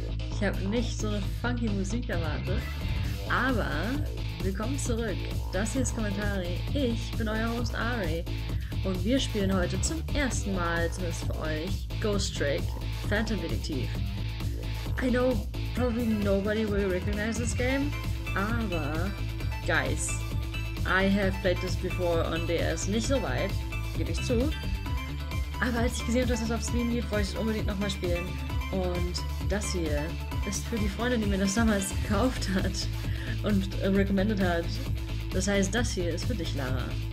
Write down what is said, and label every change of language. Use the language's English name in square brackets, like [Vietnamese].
[German] Ich habe nicht so eine funky Musik erwartet, aber willkommen zurück. Das hier ist Kommentari. Ich bin euer Host Ari und wir spielen heute zum ersten Mal, zumindest für euch, Ghost Trick, Phantom Detektiv. [English] I know probably nobody will recognize this game, aber guys, I have played this before on DS. [German] Nicht so weit, gebe ich zu. Aber als ich gesehen habe, dass es auf Steam gibt, wollte ich es unbedingt nochmal spielen. Und das hier ist für die Freundin, die mir das damals gekauft hat und recommended hat. Das heißt, das hier ist für dich, Lara.